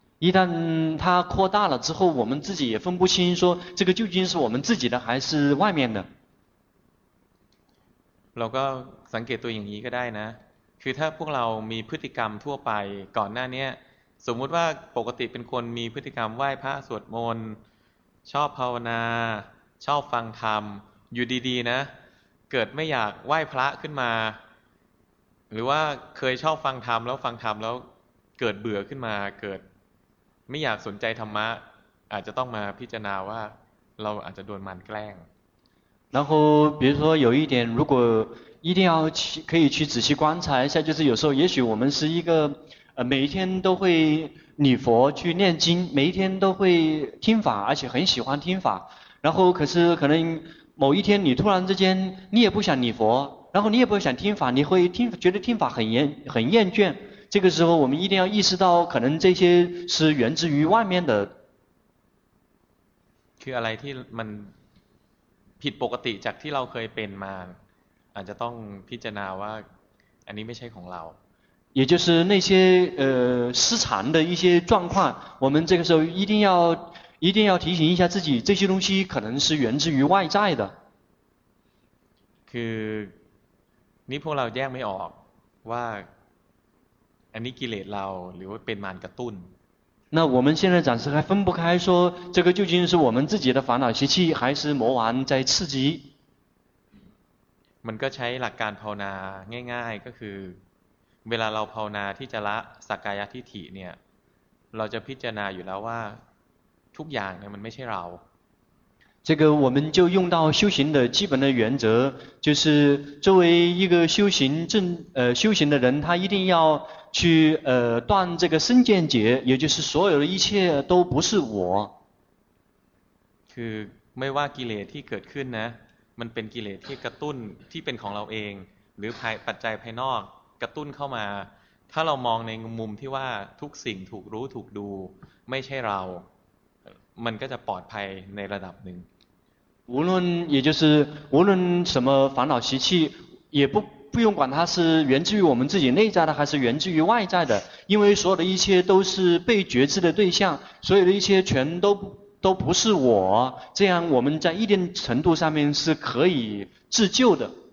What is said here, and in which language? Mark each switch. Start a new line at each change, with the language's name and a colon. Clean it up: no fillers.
Chinese: 一旦它扩大了之后我们自己也分不清说这个究竟是我们自己的还是外面的
Thai: เราก็สังเกตตัวอย่างนี้ก็ได้นะคือถ้าพวกเรามีพฤติกรรมทั่วไปก่อนหน้านี้สมมติว่าปกติเป็นคนมีพฤติกรรมไหว้พระสวดมนต์ชอบภาวนาชอบฟังธรรมอยู่ดีๆนะเกิดไม่อยากไหว้พระขึ้นมาหรือว่าเคยชอบฟังธรรมแล้วฟังธรรมแล้วเกิดเบื่อขึ้นมาเกิดไม่อยากสนใจธรรมะอาจจะต้องมาพิจารณาว่าเราอาจจะโดนมันแกล้ง
Chinese: 然后比如说有一点如果一定要去可以去仔细观察一下就是有时候也许我们是一个每一天都会礼佛去念经每一天都会听法而且很喜欢听法然后可是可能某一天你突然之间你也不想礼佛然后你也不想听法你会听觉得听法很厌倦这个时候我们一定要意识到可能这些是源自于外面的
Thai: คืออะไรที่มันผิดปกติจากที่เราเคยเป็นมาอาจจะต้องพิจารณาว่าอันนี้ไม่ใช่ของเรา
Chinese: 也就是那些失常的一些状况我们这个时候一定要提醒一下自己这些东西可能是源自于外在的
Thai: คือนี่พวกเราแยกไม่ออกว่าอันนี้กิเลสเราหรือว่าเป็นมารกระตุ้น
Chinese: 那我们现在暂时还分不开说这个究竟是我们自己的烦恼习气还是魔王在刺激
Thai: มันก็ใช้หลักการภาวนาง่ายๆก็คือเวลาเราภาวนาที่จะละสักกายทิฏฐิเนี่ยเราจะพิจารณาอยู่แล้วว่าทุกอย่างเนี่ยมันไม่ใช่เรา
Chinese: 这个我们就用到修行的基本的原则就是作为一个修行的人他一定要去断这个身见解也就是所有的一切都不是我
Thai: คือไม่ว่ากิเลสที่เกิดขึ้นนะมันเป็นกิเลสที่กระตุ้นที่เป็นของเราเองหรือภายปัจจัยภายนอกกระตุ้นเข้ามาถ้าเรามองในมุมที่ว่าทุกสิ่งถูกรู้ถูกดูไม่ใช่เรามันก็จะปลอดภัยในระดับหนึ่ง
Chinese: 无论也就是无论什么烦恼习气也不用管它是源自于我们自己内在的还是源自于外在的因为所有的一切都是被觉知的对象所有的一切全都不是我这样我们在一定程度上面是可以自救的